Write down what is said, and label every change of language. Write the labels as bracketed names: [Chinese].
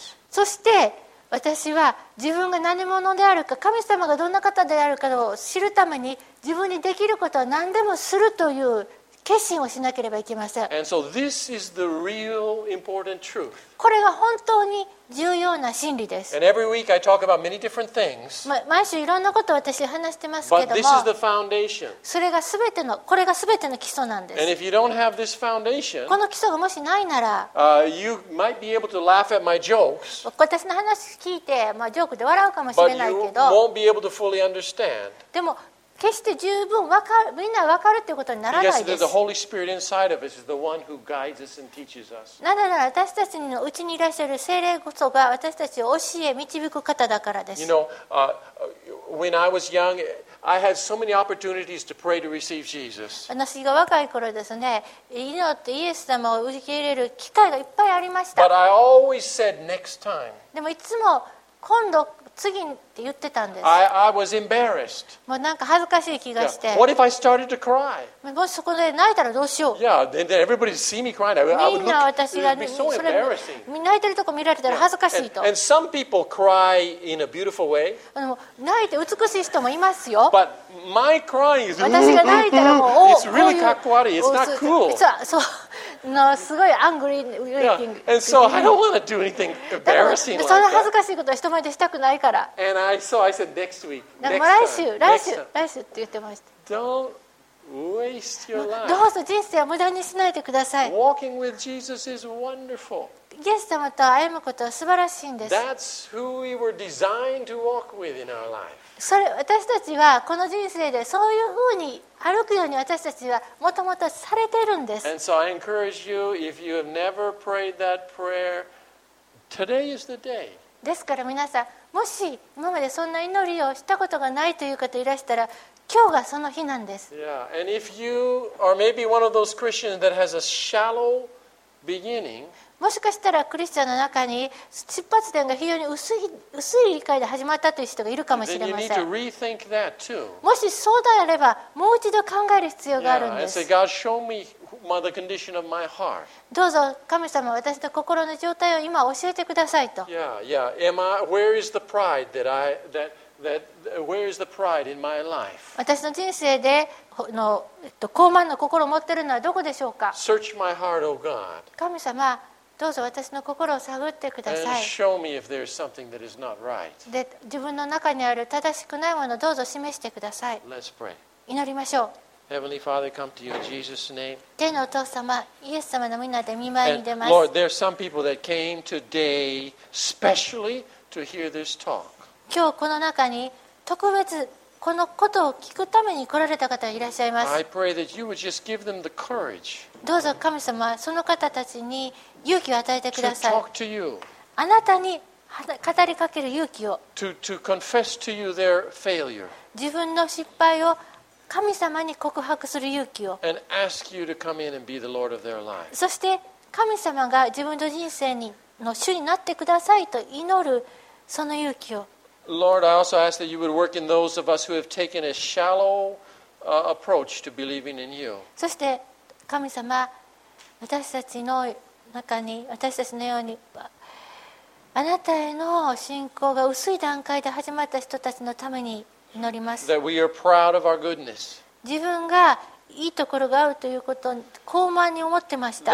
[Japanese] そして私は自分が何者であるか、神様がどんな方であるかを知るために自分にできることは何でもするという決心をしなければいけません。 [English] And so this is the real important truth. [Japanese] これが本当に重要な真理です。 [English] And every week I talk about many different things. [Japanese] 毎週いろんなことを私話してますけども、 [English] But this is the foundation. [Japanese] それが全てのこれが全ての基礎なんです。 [English] And if you don't have this foundation, [Japanese] この基礎がもしないなら、 [English] you might be able to laugh at my jokes. [Japanese] 私の話聞いて、まあ、ジョークで笑うかもしれないけど、 [English] But you won't be able to fully understand. [Japanese] でも決して十分分かる、みんな分かるということにならないです。 [English] Yes, the of us is the one who us and us. [Japanese] なぜなら私たちのうちにいらっしゃる聖霊こそが私たちを教え導く方だからです。 [English] You know, when I was young, I had so many opportunities to pray to receive Jesus. [Japanese] 私が若い頃ですね、祈ってイエス様を受け入れる機会がいっぱいありました。 [English] But I always said next time. [Japanese] でもいつも今度次って言ってたんです。 [English] I was embarrassed. [Japanese] もうなんか恥ずかしい気がして。 [English] Yeah. What if I started to cry? [Japanese] もしそこで泣いたらどうしよう。 [English] Yeah, then everybody would see me crying. I would look. [Japanese] みんな私が、それ泣いてるとこ見られたら恥ずかしいと。 [English] And some people cry in a beautiful way. [Japanese] 泣いて美しい人もいますよ。 [English] But my crying is. [Japanese] 私が泣いたらもう、 [English] It's really [Japanese] かっこ悪い。 [English] It's not cool. [Japanese] そう。のすごいアングリーウェイティング。 [English] And so I don't want to do anything embarrassing. [Japanese] そんな恥ずかしいことは人前でしたくないから。 [English] And so I said next week. [Japanese] 来週って言ってました。 [English] Don't waste your life. [Japanese] どうぞ人生は無駄にしないでください。 [English] Walking with Jesus is wonderful. [Japanese] イエス様と歩むことは素晴らしいんです。 [English] That's who we were designed to walk with in our life. [Japanese] それ私たちはこの人生でそういうふうに歩くように私たちはもともとされてるんです。 [English] And so I encourage you, if you have never prayed that prayer, today is the day. [Japanese] ですから皆さん、もし今までそんな祈りをしたことがないという方いらしたら、今日がその日なんです。 [English] Yeah, and if you are maybe one of those Christians that has a shallow beginning. [Japanese] もしかしたらクリスチャンの中に出発点が非常に薄い理解で始まったという人がいるかもしれません。もしそうであれば、もう一度考える必要があるんです。 [English] Yeah, and say, God, show me the condition of my heart. [Japanese] どうぞ神様、私の心の状態を今教えてくださいと。 [English] Where is the pride that I that that where is the pride in my life? [Japanese] 私の人生で高慢な心を持っているのはどこでしょうか。 [English] Search my heart, O God. [Japanese] 神様、どうぞ私の心を探ってください。 [English] And show me if there is something that is not right. [Japanese] で、自分の中にある正しくないものをどうぞ示してください。 [English] Let's pray. [Japanese] 祈りましょう。 [English] Heavenly Father, come to you in Jesus' name. [Japanese] 天のお父様、イエス様の皆で御前に出ます。 [English] Lord, there are some people that came today specially to hear this talk. [Japanese] 今日この中に特別このことを聞くために来られた方がいらっしゃいます。 [English] I pray that you would just give them the courage. [Japanese] どうぞ神様、その方たちに勇気を与えてください。 [English] To talk to you. [Japanese] あなたに語りかける勇気を。 [English] To confess to you their failure. [Japanese] 自分の失敗を神様に告白する勇気を。 [English] And ask you to come in and be the Lord of their life. [Japanese] そして神様が自分の人生の主になってくださいと祈るその勇気を。 [English] Lord, I also ask that you would work in those of us who have taken a shallow approach to believing in you. [Japanese] そして神様、私たちの中に、私たちのようにあなたへの信仰が薄い段階で始まった人たちのために祈ります。 [English] That we are proud of our goodness. [Japanese] 自分がいいところがあるということを傲慢に思ってました。